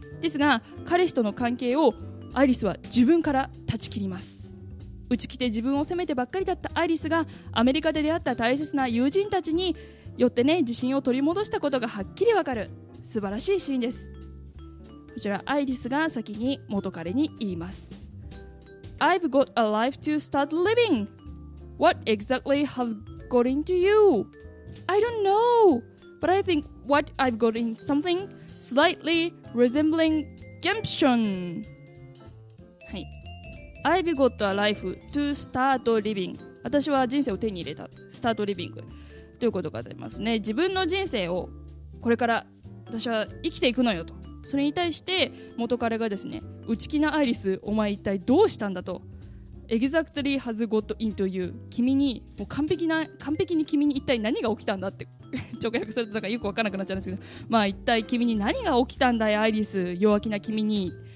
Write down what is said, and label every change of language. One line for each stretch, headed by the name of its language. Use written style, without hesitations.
Japanese: ですが彼氏との関係をアイリスは自分から断ち切ります。打ち切って自分を責めてばっかりだったアイリスが、アメリカで出会った大切な友人たちによってね、自信を取り戻したことがはっきりわかる素晴らしいシーンです。こちらアイリスが先に元彼に言います。
English: I've got a life to start living. What exactly has got into you? I don't know. But I think what I've got in something slightly resembling gumption.
Japanese: はい。
English: I've got a life to start living.
Japanese: 私は人生を手に入れた。
English: Start living.
Japanese: ということがありますね。自分の人生をこれから私は生きていくのよと。それに対して元彼がですね、内気なアイリス、お前一体どうしたんだと。
English: Exactly has got into you、
Japanese: 君にもう完璧に君に一体何が起きたんだって直訳するとなんかよく分からなくなっちゃうんですけど、まあ一体君に何が起きたんだよアイリス、弱気な君に。